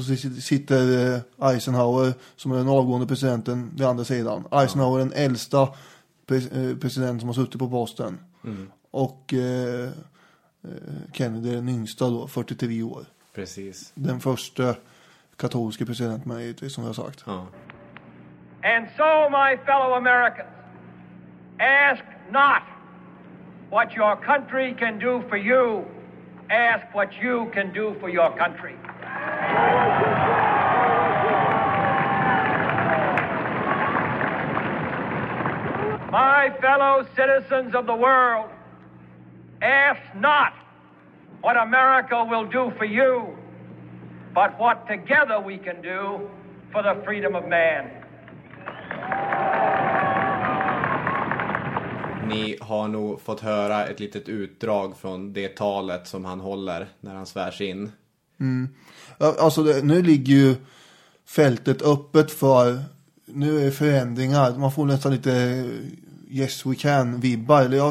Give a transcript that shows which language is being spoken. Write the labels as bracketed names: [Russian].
[Swedish] Och så sitter Eisenhower som är den avgående presidenten vid andra sidan. Eisenhower den äldsta president som har suttit på posten. Mm. Och Kennedy den yngsta då, 43 år. Precis. Den första katolska presidenten som jag har sagt. Ja. [English] And so, my fellow Americans, ask not what your country can do for you. Ask what you can do for your country. My fellow citizens of the world, ask not what America will do for you, but what together we can do for the freedom of man. [Swedish] Ni har nog fått höra ett litet utdrag från det talet som han håller när han svärs in. Mm. Alltså, nu ligger ju fältet öppet för, nu är förändringar. Man får nästan lite [English] yes we can- [Swedish] vibbar.